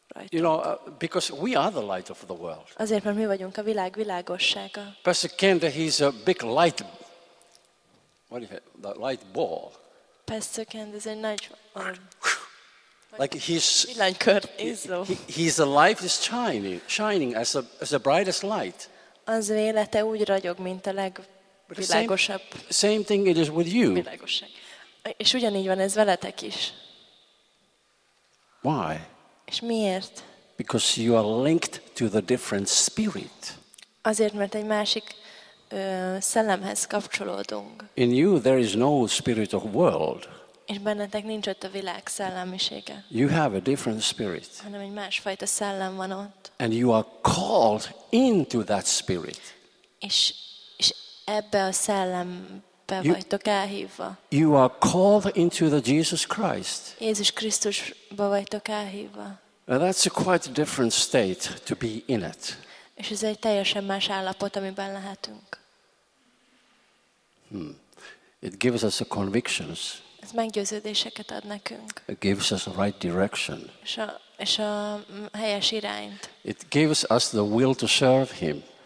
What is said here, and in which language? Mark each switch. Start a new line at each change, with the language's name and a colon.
English: You know, because we are the light of the world.
Hungarian: Azért, mert mi vagyunk a világ világossága.
English: Pastor Kent, he's a big light. What is it? The light ball.
Hungarian: Pastor Kent is a nagy.
English: Like he's.
Hungarian: Világkör.
English: He's a life is shining as the brightest light.
Hungarian: Az élete úgy ragyog, mint a legvilágosabb.
English: Same thing it is with you.
Hungarian: Világosság. És ugyanígy van ez veletek is.
English: Why?
Hungarian: És miért?
English: Because you are linked to the different spirit.
Hungarian: Azért, mert egy másik szellemhez kapcsolódunk.
English: In you there is no spirit of world.
Hungarian: És bennetek nincs ott a világ szellemisége.
English: You have a different spirit.
Hungarian: Hanem egy másfajta szellem van ott.
English: And you are called into that spirit.
Hungarian: És ebbe a szellembe vagytok elhívva.
English: You are called into the Jesus Christ.
Hungarian: Jézus Krisztus.
English: Now that's a quite different state to be in it.
Hungarian: És ez egy teljesen más állapot, amiben lehetünk.
English: Hmm. It gives us the convictions.
Hungarian: Ez meggyőződéseket ad nekünk.
English: It gives us the right direction.
Hungarian: És a helyes irányt.
English: It gives us the will to serve him.